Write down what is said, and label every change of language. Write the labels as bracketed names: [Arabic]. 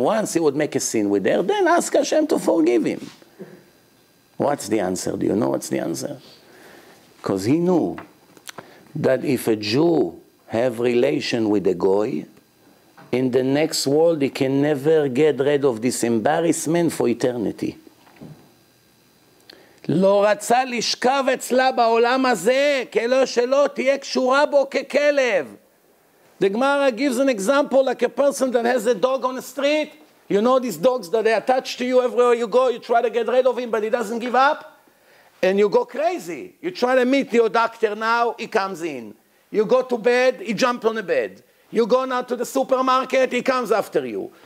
[English] Once he would make a scene with her, then ask Hashem to forgive him. What's the answer? Do you know what's the answer? Because he knew that if a Jew have relation with a goy, in the next world he can never get rid of this embarrassment for eternity. [Hebrew] לא רצה לשכב אצלה בעולם הזה, כאילו שלא תהיה קשורה בו ככלב. [English] The Gemara gives an example like a person that has a dog on the street. You know these dogs that they attach to you everywhere you go, you try to get rid of him, but he doesn't give up. And you go crazy. You try to meet your doctor now, he comes in. You go to bed, he jumps on the bed. You go now to the supermarket, he comes after you.